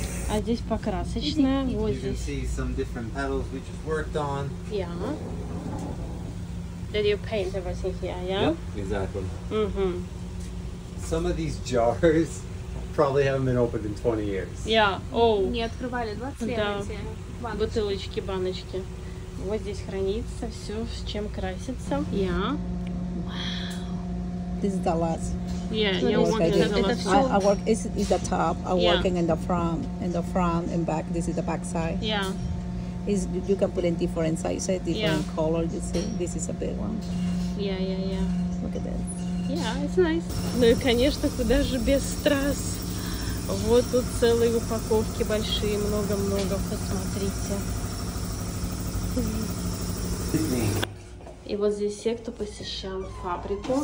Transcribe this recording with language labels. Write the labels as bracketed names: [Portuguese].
[Russian] А здесь покрасочная. Вот здесь. [English] You can see some different petals we just worked on. Yeah. Did you paint everything here, yeah? Yep, exactly. Mm-hmm. Some of these jars probably haven't been opened in 20 years. Yeah, oh. [Russian] Не открывали 20 да. лет. Бутылочки, баночки. Вот здесь хранится все, с чем красится. [English] Yeah. Wow. This is the last. Yeah, you want to do it. It's the top. I'm working in the front and back. This is the back side. Yeah. It's, you can put in different sizes, different color. You see, this is a big one. Yeah. Look at that. Yeah, it's nice. [Russian] Ну и конечно, куда же без страз? Вот тут целые упаковки большие, много-много. Посмотрите. И вот здесь все, кто посещал фабрику.